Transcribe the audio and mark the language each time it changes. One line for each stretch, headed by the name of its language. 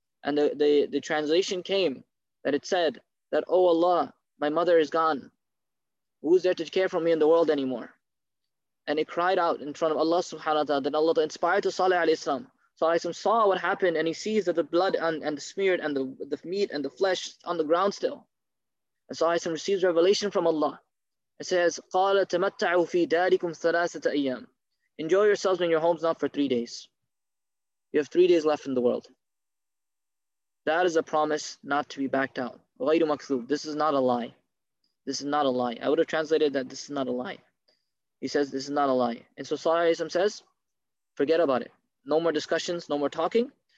English: And the translation came that it said that, oh Allah, my mother is gone. Who's there to care for me in the world anymore? And it cried out in front of Allah subhanahu wa ta'ala. Then Allah inspired to Salih alayhi salam. Salih alayhi salam saw what happened and he sees that the blood and the smeared and the meat and the flesh on the ground still. And Salih alayhi salam receives revelation from Allah. It says,
Arabic: قَالَ تَمَتَّعُوا فِي دَارِكُمْ ثَلَاثَةَ أَيَّامٍ.
English: Enjoy yourselves in your homes now for 3 days. You have 3 days left in the world. That is a promise not to be backed out.
Arabic: غَيْرُ مَكْذُوبٍ.
English: This is not a lie. This is not a lie. I would have translated that this is not a lie. He says, this is not a lie. And so Salih alayhi salam says, forget about it. No more discussions, no more talking.